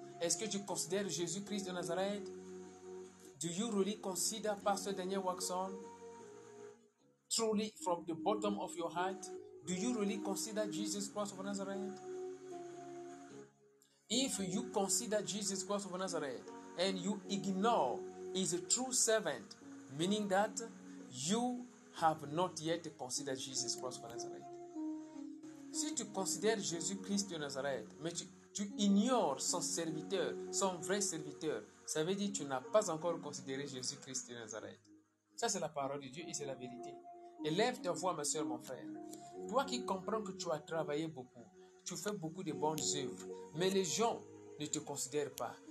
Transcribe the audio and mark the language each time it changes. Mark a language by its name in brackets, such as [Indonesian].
[French] Est-ce que tu considères Jésus-Christ de Nazareth? [English] Do you really consider Pastor Daniel Watson truly from the bottom of your heart? Do you really consider Jesus Christ of Nazareth? If you consider Jesus Christ of Nazareth and you ignore his true servant, meaning that you have not yet considered Jesus Christ of Nazareth. [French] Si tu considères Jésus Christ de Nazareth, mais Tu ignores son serviteur, son vrai serviteur. Ça veut dire que tu n'as pas encore considéré Jésus-Christ de Nazareth. Ça, c'est la parole de Dieu et c'est la vérité. Élève ta voix, ma soeur, mon frère. Toi qui comprends que tu as travaillé beaucoup, tu fais beaucoup de bonnes œuvres, mais les gens ne te considèrent pas.